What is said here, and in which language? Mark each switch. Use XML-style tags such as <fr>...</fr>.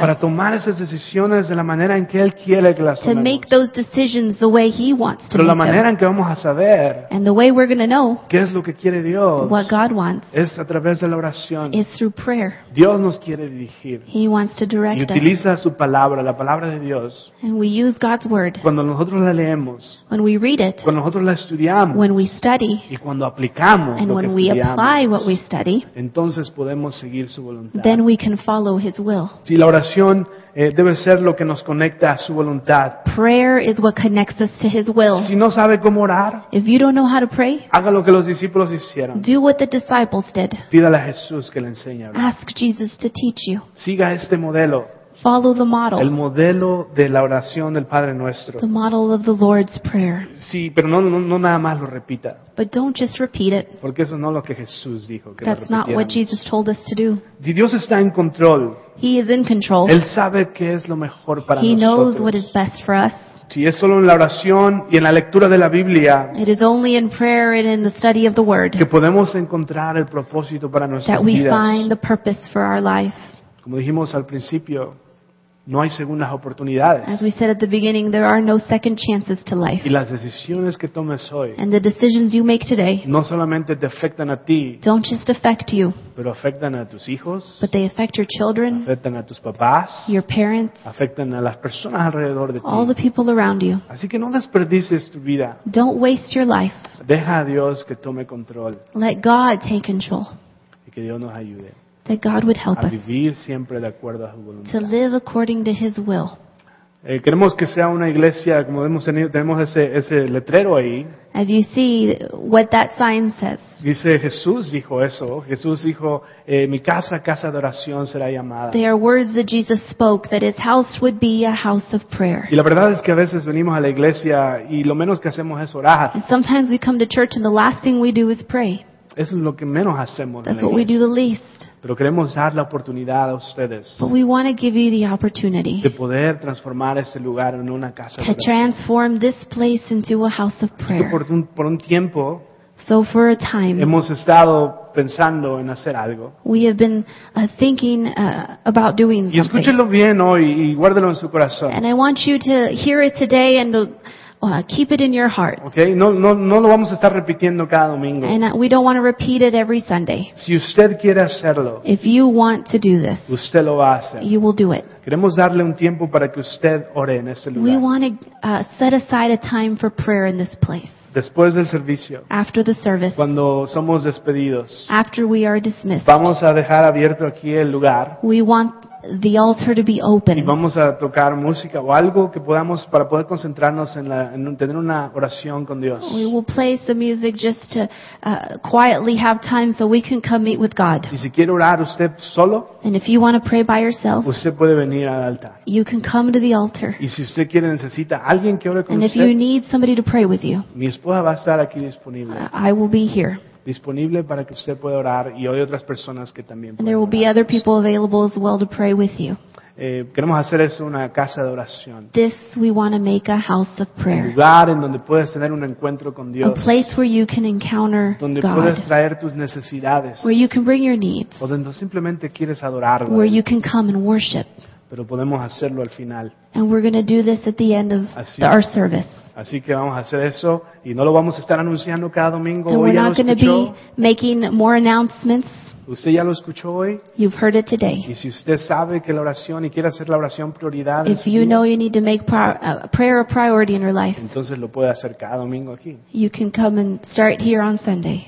<es>Para tomar esas decisiones de la manera en que Él quiere que las tomemos.</es> <en>To make those decisions the way He wants to make them.</en> <es>Pero la manera en que vamos a saber.</es> <en>And the way we're going to know.</en> <es>Qué es lo que quiere Dios.</es> <en>What God wants.</en> <es>Es a través de la oración.</es> <en>Is through prayer.</en> <es>Dios nos quiere dirigir.</es> <en>He wants to direct us.</en> <es>Y utiliza su palabra, la palabra de Dios.</es> <en>And we use God's word.</en> <es>Cuando nosotros la leemos.</es> <en>When we read it,</en> <es>cuando nosotros la estudiamos,</es> <en>when we study,</en> <es>y cuando aplicamos</es> <en>and</en> <es>lo</es> <en>when</en> <es>que</es> <en>we</en> <es>estudiamos,</es> <en>apply what we study,</en> <es>entonces podemos seguir su voluntad.</es> <en>Then we can follow His will.</en> <es>Sí, la oración debe ser lo que nos conecta a su voluntad.</es> <en>Prayer is what connects us to His will.</en> <es>Si no sabe cómo orar,</es> <en>if you don't know how to pray,</en> <es>haga lo que los discípulos hicieron.</es> <en>Do what the disciples did.</en> <es>Pídale a Jesús que le enseñe a orar.</es> <en>Ask Jesus to teach you.</en> <es>Siga este modelo.</es> <en>Follow the model.</en> <es>El modelo de la oración del Padre Nuestro.</es> <en>The model of the Lord's Prayer.</en> <es>Sí, pero no nada más lo repita.</es> <en>But don't just repeat it.</en> <es>Porque eso no es lo que Jesús dijo que</es> <en>That's not what Jesus told us to do.</en> <es>Si Dios está en control.</es> <en>He is in control.</en> <es>Él sabe qué es lo mejor para</es> <en>He</en> <es>nosotros.</es> <en>He knows what is best for us.</en> <es>Si es solo en la oración y en la lectura de la Biblia.</es> <en>It is only in prayer and in the study of the Word.</en> <es>Que podemos encontrar el propósito para nuestras vidas.</es> <en>That we find the purpose for our life.</en> <es>Como dijimos al principio, No hay segundas oportunidades.</es> <en>As we said at the beginning, there are no second chances to life.</en> <es>Y las decisiones que tomes hoy,</es> <en>and the decisions you make today,</en> <es>no solamente te afectan a ti,</es> <en>don't just affect you,</en> <es>pero afectan a tus hijos,</es> <en>but they affect your children,</en> <es>afectan a tus papás,</es> <en>your parents,</en> <es>afectan a las personas alrededor de ti,</es> <en>all the people around you.</en> <es>Así que no desperdices tu vida.</es> <en>Don't waste your life.</en> <es>Deja a Dios que tome control.</es> <en>Let God take control.</en> <es>Y que Dios nos ayude.</es> <en>That God would help</en> <es>a vivir siempre de acuerdo a su voluntad.</es> <en>To live according to His will.</en> <es>Queremos que sea una iglesia, como hemos tenido, tenemos ese letrero ahí.</es> <en>As you see what that sign says.</en> <es>Dice, Jesús dijo eso. Jesús dijo, mi casa, casa de oración será llamada.</es> <en>They are words that Jesus spoke, that His house would be a house of prayer.</en> <es>Y la verdad es que a veces venimos a la iglesia y lo menos que hacemos es orar.</es> <en>And sometimes we come to church and the last thing we do is pray.</en> <es>Eso es lo que menos hacemos.</es> <en>That's what we do the least.</en> <es>Pero queremos dar la oportunidad a ustedes.</es> <en>But we want to give you the opportunity</en> <es>de poder transformar este lugar en una casa de oración.</es> <en>To transform this place into a house of prayer.</en> <es>Por un tiempo,</es> <en>so for a time,</en> <es>hemos estado pensando en hacer algo.</es> <en>We have been thinking about doing something.</en> <es>Y escúchelo bien hoy y guárdelo en su corazón.</es> <en>And I want you to hear it today and keep it in your heart.</en> <es>Okay, no lo vamos a estar repitiendo cada domingo.</es> <en>And we don't want to repeat it every Sunday.</en> <es>Si usted quiere hacerlo,</es> <en>if you want to do this,</en> <es>usted lo va a hacer.</es> <en>You will do it.</en> <es>Queremos darle un tiempo para que usted ore en ese lugar.</es> <en>We want to set aside a time for prayer in this place.</en> <es>Después del servicio,</es> <en>after the service,</en> <es>cuando somos despedidos,</es> <en>after we are dismissed,</en> <es>vamos a dejar abierto aquí el lugar.</es> <en>We want the altar to be open.</en> <es>Y vamos a tocar música o algo que podamos para poder concentrarnos en tener una oración con Dios.</es> <en>We will play some music just to quietly have time so we can come meet with God.</en> <es>Y si quiere orar usted solo,</es> <en>and if you want to pray by yourself,</en> <es>usted puede venir al altar.</es> <en>You can come to the altar.</en> <es>Y si usted quiere necesita alguien que ore con usted,</es> <en>and if you need somebody to pray with you,</en> <es>mi esposa va a estar aquí disponible.</es> <en>I will be here.</en> <es>Disponible para que usted pueda orar y hay otras personas que también pueden.</es> <en>There will be other people available as well to pray with you.</en> <es>Queremos hacer eso una casa de oración.</es> <en>This we want to make a house of prayer.</en> <es>Un lugar en donde puedes tener un encuentro con Dios.</es> <en>A place where you can encounter God.</en> <es>Donde puedes traer tus necesidades.</es> <en>Where you can bring your needs.</en> <es>O donde simplemente quieres adorarlo.</es> <en>Where you can come and worship.</en> <es>Pero podemos hacerlo al final.</es> <en>And we're going to do this at the end of our service.</en> <es>Así que vamos a hacer eso y no lo vamos a estar anunciando cada domingo.</es> <en>And we're not going to be making more announcements.</en> <es>Usted ya lo escuchó hoy.</es> <en>You've heard it today.</en> <es>Y si usted sabe que la oración y quiere hacer la oración prioridad,</es> <en>if you know you need to make prayer a priority in your life,</en> <es>entonces lo puede hacer cada domingo aquí.</es> <en>You can come and start here on Sunday.</en>